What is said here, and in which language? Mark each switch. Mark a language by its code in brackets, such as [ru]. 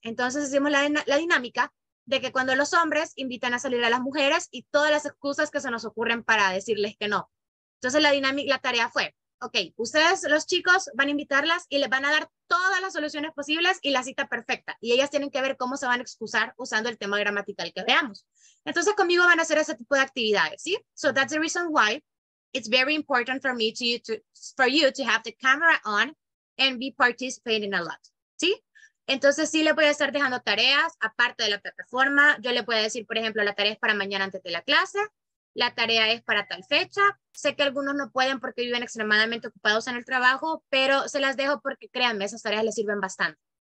[es] Entonces hicimos la dinámica de que cuando los hombres invitan a salir a las mujeres y todas las excusas que se nos ocurren para decirles que no. Entonces la tarea fue, ok, ustedes los chicos van a invitarlas y les van a dar todas las soluciones posibles y la cita perfecta. Y ellas tienen que ver cómo se van a excusar usando el tema gramatical que veamos. Entonces conmigo van a hacer ese tipo de actividades, ¿sí? [en] So that's the reason why it's very important for me for you to have the camera on and be participating a lot, ¿sí? [es] Entonces sí les voy a estar dejando tareas, aparte de la plataforma. Yo les voy a decir, por ejemplo, la tarea es para mañana antes de la clase. La tarea es para tal fecha. Sé que algunos no pueden porque viven extremadamente ocupados en el trabajo, pero se las dejo porque créanme, esas tareas les sirven bastante.